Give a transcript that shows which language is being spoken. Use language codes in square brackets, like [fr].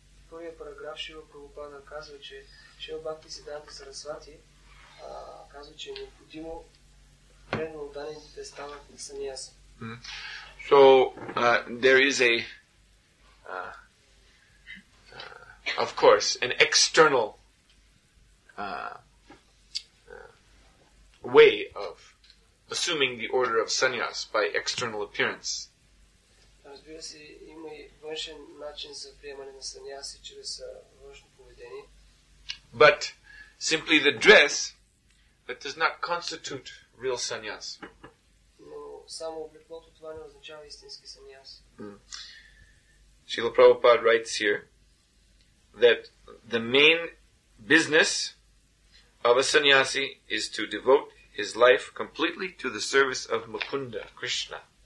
[bg] Първият параграф Шива Прабхупада казва, че Шива Бхакти Сиддханта Сарасвати казва, че е необходимо преди отдадените станат на саньяса. [en] So, there is a of course, an external way of assuming the order of sannyas by external appearance. [bg] Разбира се, има и външен начин за приемане на саньяси чрез външно поведение. [en] But simply the dress that does not constitute real sannyas. [bg] Но само облеклото това не означава истински саньяс. [en] Srila Prabhupada writes here that the main business of a sannyasi is to devote his life completely to the service of Mukunda, Krishna.